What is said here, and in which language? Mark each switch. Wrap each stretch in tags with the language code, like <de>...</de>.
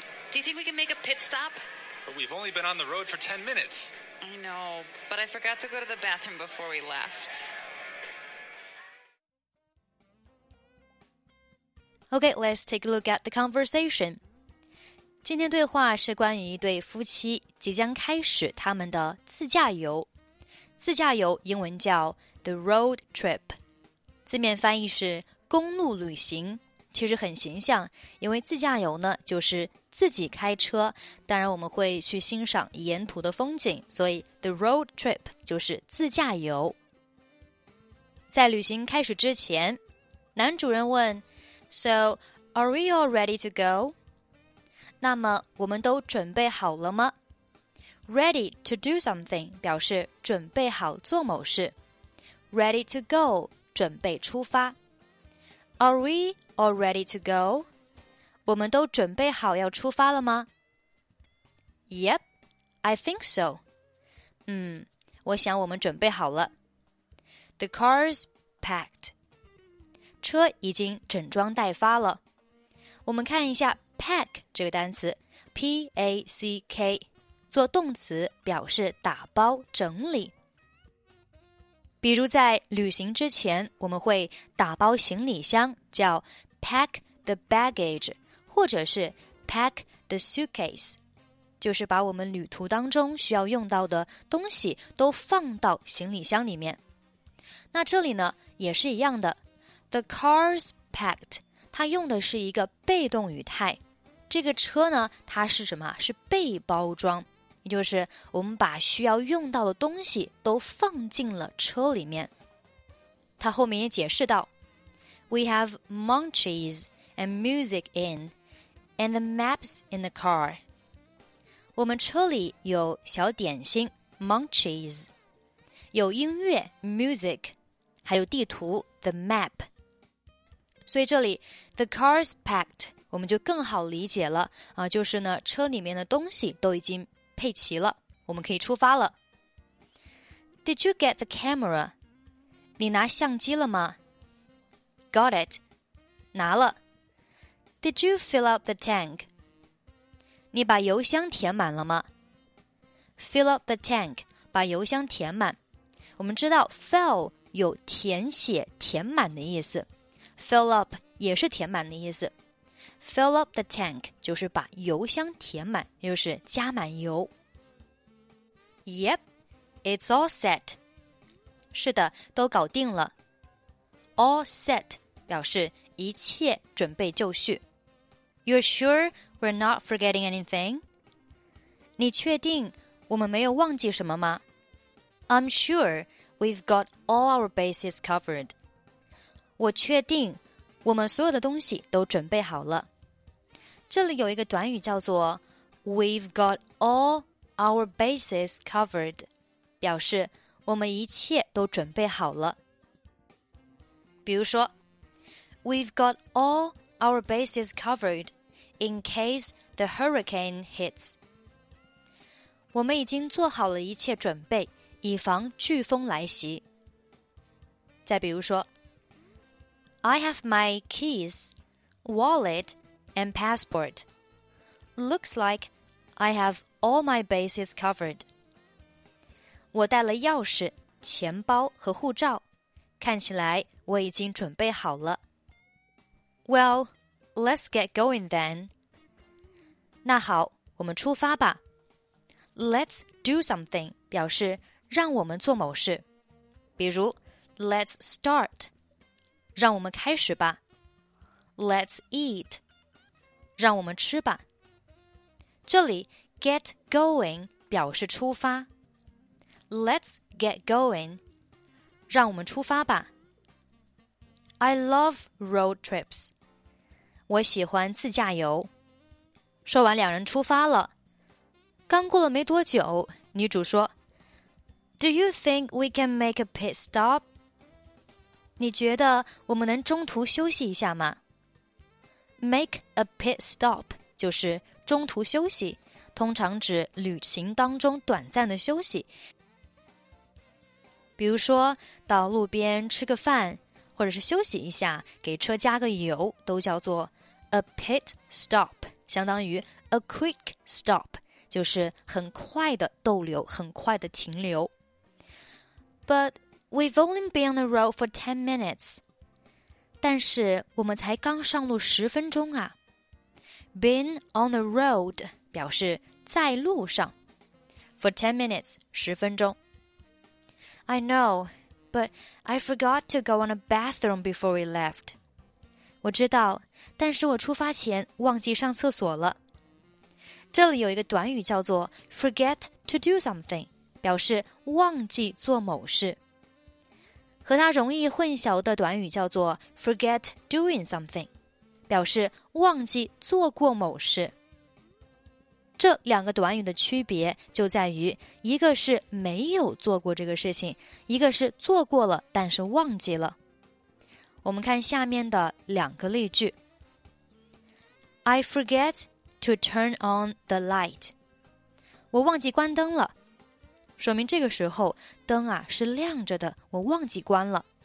<en>Do you think we can make a pit stop? But we've only been on the road for 10 minutes. I know, but I forgot to go to the bathroom before we left. Okay, let's take a look at the conversation.</en> <zh>今天对话是关于一对夫妻即将开始他们的自驾游。自驾游英文叫</zh> <en>the road trip.</en> <zh>字面翻译是公路旅行。其实很形象，因为自驾游呢就是自己开车，当然我们会去欣赏沿途的风景，所以</zh> <en>the road trip</en> <zh>就是自驾游。在旅行开始之前，男主人问</zh> <en>So, are we all ready to go?</en> <zh>那么我们都准备好了吗？</zh> <en>Ready to do something</en> <zh>表示准备好做某事，</zh> <en>Ready to go</en> <zh>准备出发。</zh> <en>Are we all ready to go?</en> <zh>我们都准备好要出发了吗?</zh> <en>Yep, I think so.</en> <zh>我想我们准备好了。</zh> <en>The car's packed.</en> <zh>车已经整装待发了。我们看一下 pack 这个单词 P-A-C-K 做动词表示打包整理。比如在旅行之前我们会打包行李箱叫</zh> <en>pack the baggage</en> <zh>或者是</zh> <en>pack the suitcase</en> <zh>就是把我们旅途当中需要用到的东西都放到行李箱里面那这里呢也是一样的</zh> <en>the car's packed</en> <zh>它用的是一个被动语态这个车呢它是什么是被包装也就是我们把需要用到的东西都放进了车里面。他后面也解释到</zh> <en>We have munchies and music in and the maps in the car.</en> <zh>我们车里有小点心 munchies, 有音乐 music, 还有地图</zh> <en>the map.</en> <zh>所以这里</zh> <en>the car's packed,</en> <zh>我们就更好理解了、就是呢车里面的东西都已经配齐了，我们可以出发了。</zh> <en>Did you get the camera?</en> <zh>你拿相机了吗 ？</zh> <en>Got it.</en> <zh>拿了。</zh> <en>Did you fill up the tank?</en> <zh>你把油箱填满了吗 ？</zh> <en>Fill up the tank.</en> <zh>把油箱填满。我们知道 fill 有填写、填满的意思 ，</zh> <en>fill up</en> <zh>也是填满的意思。</zh> <en>Fill up the tank</en> <zh>就是把油箱填满，就是加满油。</zh> <en>Yep, it's all set.</en> <zh>是的，都搞定了。</zh> <en>All set</en> <zh>表示一切准备就绪。</zh> <en>You're sure we're not forgetting anything?</en> <zh>你确定我们没有忘记什么吗 ？</zh> <en>I'm sure we've got all our bases covered.</en> <zh>我确定我们所有的东西都准备好了。这里有一个短语叫做</zh> <en>We've got all. Our bases covered,</en> <zh>表示我们一切都准备好了。比如说 ,</zh> <en>We've got all our bases covered in case the hurricane hits.</en> <zh>我们已经做好了一切准备以防飓风来袭。再比如说 ,</zh> <en>I have my keys, wallet, and passport. Looks like I have all my bases covered.</en> <zh>我带了钥匙、钱包和护照，看起来我已经准备好了。</zh> <en>Well, let's get going then.</en> <zh>那好，我们出发吧。</zh> <en>Let's do something</en> <zh>表示让我们做某事。比如</zh> <en>Let's start</en> <zh>让我们开始吧。</zh> <en>Let's eat</en> <zh>让我们吃吧。这里</zh> <en>get going</en> <zh>表示出发。</zh> <en>Let's get going</en> <zh>让我们出发吧。</zh> <en>I love road trips.</en> <zh>我喜欢自驾游。说完两人出发了。刚过了没多久，女主说</zh> <en>Do you think we can make a pit stop?</en> <zh>你觉得我们能中途休息一下吗？</zh> <en>Make a pit stop</en> <zh>就是中途休息，通常指旅行当中短暂的休息。比如说到路边吃个饭或者是休息一下，给车加个油，都叫做</zh> <en>a pit stop，</en> <zh>相当于</zh> <en>a quick stop，</en> <zh>就是很快的逗留，很快的停留。</zh> <en>But we've only been on the road for 10 minutes.</en> <zh>但是我们才刚上路十分钟啊。</zh> <en>Been on the road</en> <zh>表示在路上。</zh> <en>For 10 minutes,</en> <zh>十分钟。</zh> <en>I know. But I forgot to go on a bathroom before we left.</en> <zh>我知道，但是我出发前忘记上厕所了。这里有一个短语叫做</zh> <en>forget to do something，</en> <zh>表示忘记做某事。和它容易混淆的短语叫做</zh> <en>forget doing something，</en> <zh>表示忘记做过某事。这两个短语的区别就在于，一个是没有做过这个事情，一个是做过了但是忘记了。我们看下面的两个例句。</zh> <en>I forget to turn on the light.</en> <zh>我忘记关灯了，说明这个时候灯啊是亮着的，我忘记关了。</zh>